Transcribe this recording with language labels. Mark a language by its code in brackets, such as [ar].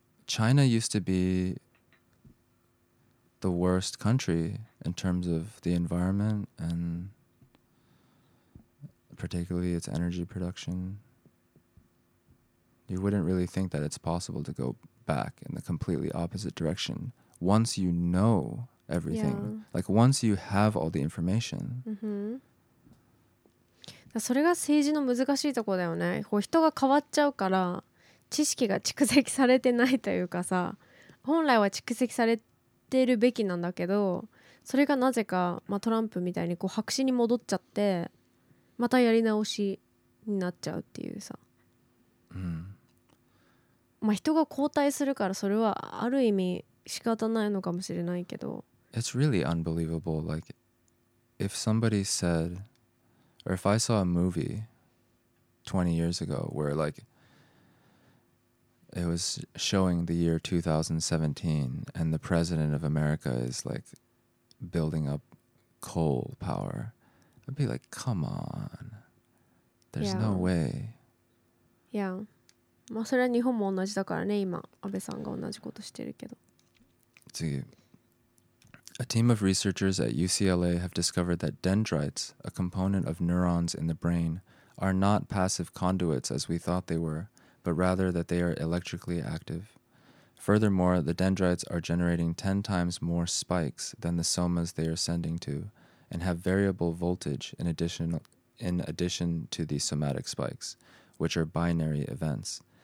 [en] China used to be the worst country in terms of the environment and particularly its energy production. You wouldn't really think that it's possible to go back in the completely opposite direction once you know everything. Yeah. Like once you have all the information. Mm-hmm. [ja] それが政治の難しいところだよね。こう人が変わっちゃうから知識が蓄積されてないというかさ、本来は蓄積されてるべきなんだけど、それがなぜか、まあ、トランプみたいにこう白紙に戻っちゃって、またやり直しになっちゃうっていうさ。うん。まあ人が交代するからそれはある意味仕方ないのかもしれないけど。 [en] It's really unbelievable. Like, if somebody said, or if I saw a movie 20 years ago where like,it was showing the year 2017 and the president of America is like building up coal power. I'd be like, come on. There's no way. Yeah. [ja] まあそれは日本も同じだからね、今安倍さんが同じことしてるけど。次。 [en] A team of researchers at UCLA have discovered that dendrites, a component of neurons in the brain, are not passive conduits as we thought they were. But rather that they are electrically active. Furthermore, the dendrites are generating 10 times more spikes than the somas they are sending to and have variable voltage in addition to the somatic spikes, which are binary events.